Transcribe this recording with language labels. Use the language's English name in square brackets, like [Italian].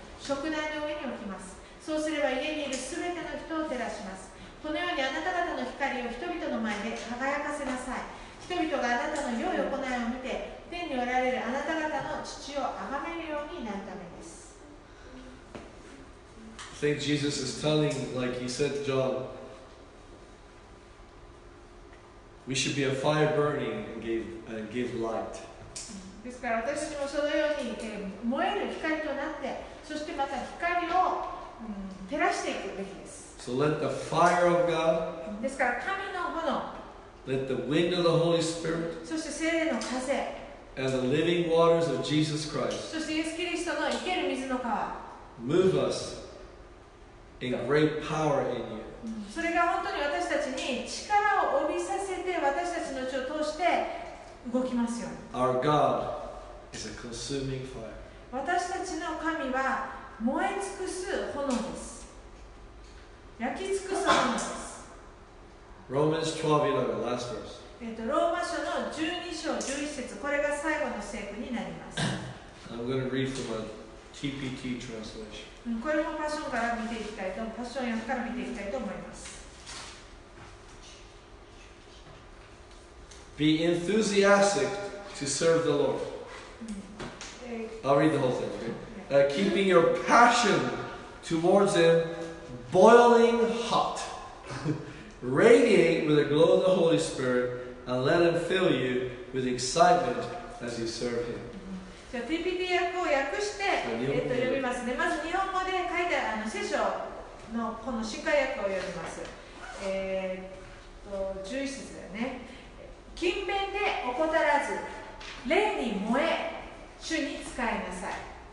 [Japanese] 燭台の上に置きます。そうすれば家にいるすべての人を照らします。このようにあなた方の光を人々の前で輝かせなさい。人々があなたの良い行いを見て、天におられるあなた方の父を崇めるようになるためです。 [English] I think Jesus is telling, like he said to John, we should be a fire burning and give light. [Japanese] ですから私たちもそのように、燃える光となって、そしてまた光を、照らしていくべきです。 [English] So let the fire of God, [Japanese] ですから神の炎、 [English] let the wind of the Holy Spirit, [Japanese] そして聖霊の風、 [English] and the living waters of Jesus Christ, [Japanese] そしてイエス・キリストの生ける水の川、 [English] move us in great power in you. [Japanese] それが本当に私たちに力を帯びさせて、私たちの血を通して、動きますよ。 [English] Our God is a consuming fire. [Japanese] 私たちの神は燃え尽くす炎です。焼き尽くす炎です。 [English] Romans 12:11, last verse. [Japanese] ローマ書の12章11節、これが最後の聖句になります。 [English] I'm going to read from a TPT translation. [Japanese] これもパッションから見ていきたいと、パッション4から見ていきたいと思います。 [English] Be enthusiastic to serve the Lord. I'll read the whole thing. Okay? Keeping your passion towards Him boiling hot. Radiate with the glow of the Holy Spirit and let Him fill you with excitement as you serve Him. [Japanese] じゃあ TPT 訳を訳して読みますね。まず日本語で書いた聖書のこの神科訳を読みます。 11節だよね。勤勉で怠らず、霊に燃え、主に仕えなさい。